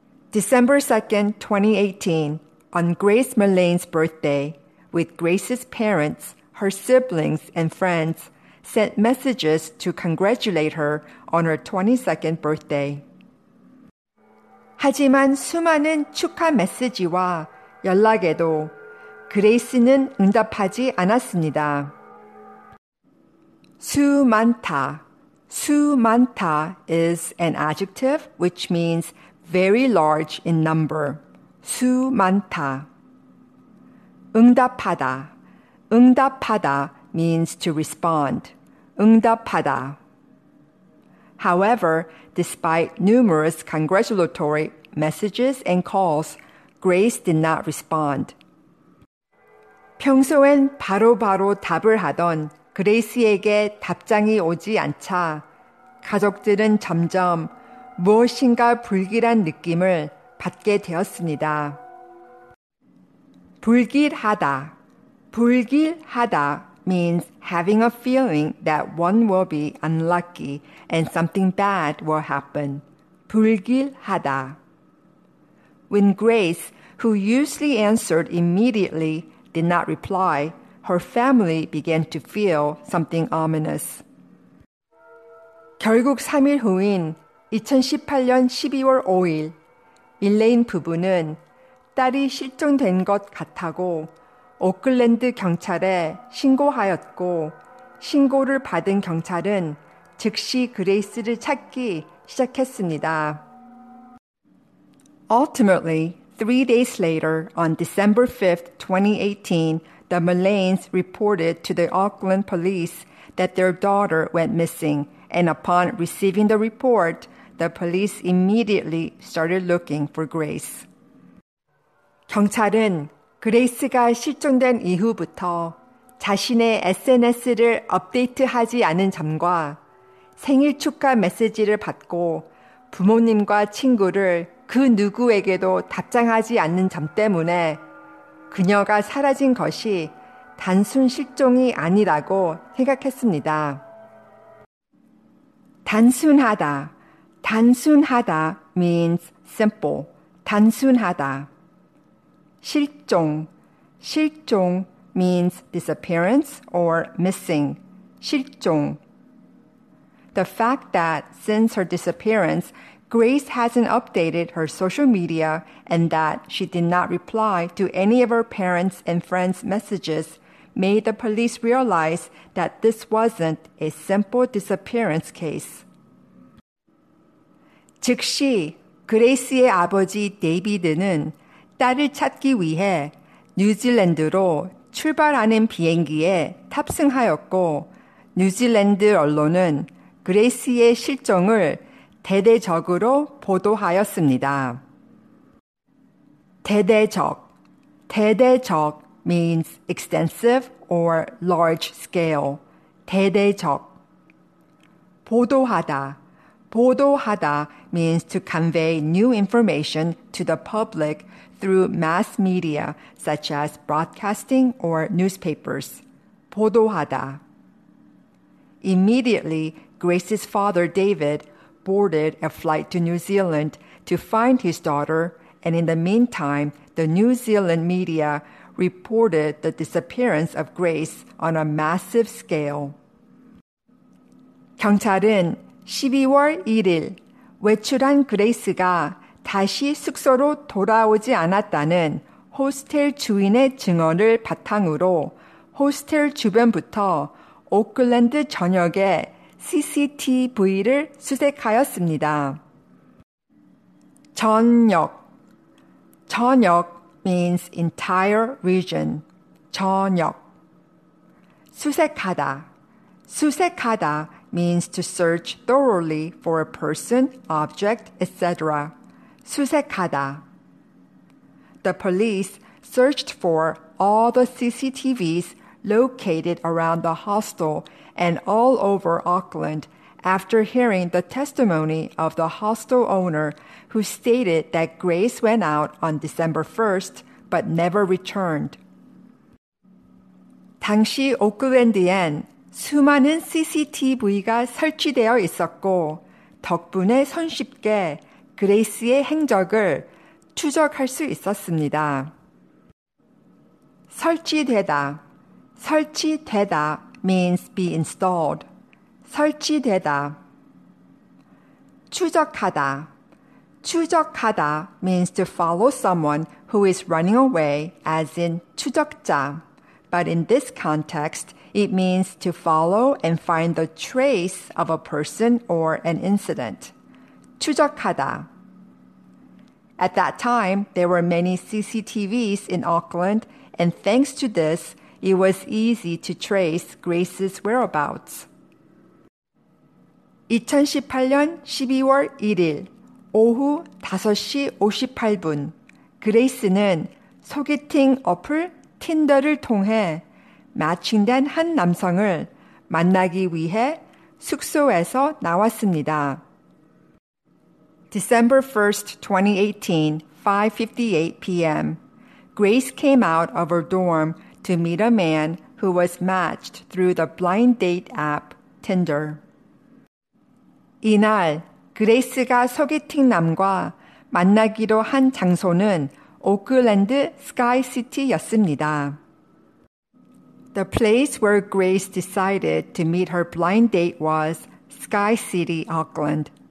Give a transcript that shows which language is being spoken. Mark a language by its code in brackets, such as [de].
[en] December 2nd, 2018, on Grace Mullane's birthday, with Grace's parents, her siblings, and friends, sent messages to congratulate her on her 22nd birthday. [ko] 하지만 수많은 축하 메시지와 연락에도 그레이스는 응답하지 않았습니다. 수많다. [en] 수많다 is an adjective which means very large in number. [ko] 수많다. 응답하다. [en] 응답하다 means to respond. 응답하다. However, despite numerous congratulatory messages and calls, Grace did not respond. [ko] 평소엔 바로바로 답을 하던 그레이스에게 답장이 오지 않자 가족들은 점점 무엇인가 불길한 느낌을 받게 되었습니다. 불길하다. [en] 불길하다 means having a feeling that one will be unlucky and something bad will happen. [ko] 불길하다. [en] When Grace, who usually answered immediately, did not reply, her family began to feel something ominous. [ko] 결국 3일 후인 2018년 12월 5일, 밀레인 부부는 딸이 실종된 것 같다고 오클랜드 경찰에 신고하였고 신고를 받은 경찰은 즉시 그레이스를 찾기 시작했습니다. [en] Ultimately, 3 days later, on December 5th, 2018, the Mullanes reported to the Auckland police that their daughter went missing, and upon receiving the report, the police immediately started looking for Grace. [ko] 경찰은 그레이스가 실종된 이후부터 자신의 SNS를 업데이트하지 않은 점과 생일 축하 메시지를 받고 부모님과 친구를 그 누구에게도 답장하지 않는 점 때문에 그녀가 사라진 것이 단순 실종이 아니라고 생각했습니다. [en] 단순하다. 단순하다 means simple. [ko] 단순하다. 실종. [en] 실종 means disappearance or missing. 실종. The fact that since her disappearance, Grace hasn't updated her social media and that she did not reply to any of her parents' and friends' messages made the police realize that this wasn't a simple disappearance case. [ko] 즉시 그레이스의 아버지 데이비드는 딸을 찾기 위해 뉴질랜드로 출발하는 비행기에 탑승하였고 뉴질랜드 언론은 그레이스의 실종을 대대적으로 보도하였습니다. [en] 대대적. 대대적 means extensive or large scale. 대대적. 보도하다. 보도하다 means to convey new information to the public through mass media such as broadcasting or newspapers. 보도하다. Immediately, Grace's father David boarded a flight to New Zealand to find his daughter, and in the meantime, the New Zealand media reported the disappearance of Grace on a massive scale. [ko] 경찰은 12월 1일 외출한 그레이스가 다시 숙소로 돌아오지 않았다는 호스텔 주인의 증언을 바탕으로 호스텔 주변부터 오클랜드 전역에 CCTV를 수색하였습니다. [en] 전역 전역 means entire region. 전역 수색하다 수색하다 means to search thoroughly for a person, object, etc. 수색하다 The police searched for all the CCTVs located around the hostel and all over Auckland after hearing the testimony of the hostel owner who stated that Grace went out on December 1st but never returned. [ko] 당시 오클랜드엔 수많은 CCTV가 설치되어 있었고 덕분에 손쉽게 그레이스의 행적을 추적할 수 있었습니다. [en] 설치되다 설치되다 means be installed. 설치되다 추적하다 추적하다 means to follow someone who is running away as in 추적자. But in this context, it means to follow and find the trace of a person or an incident. 추적하다 At that time, there were many CCTVs in Auckland, and thanks to this, it was easy to trace Grace's whereabouts. [ko] 2018년 12월 1일 오후 5시 58분 그레이스는 소개팅 어플 틴더를 통해 매칭된 한 남성을 만나기 위해 숙소에서 나왔습니다. [en] December 1st, 2018, 5:58 p.m. Grace came out of her dorm to meet a man who was matched through the blind date app, Tinder. [ko] 이날, 그레이스가 소개팅 남과 만나기로 한 장소는 오클랜드 스카이 시티였습니다. [en] The place where Grace decided to meet her blind date was Sky City, Auckland.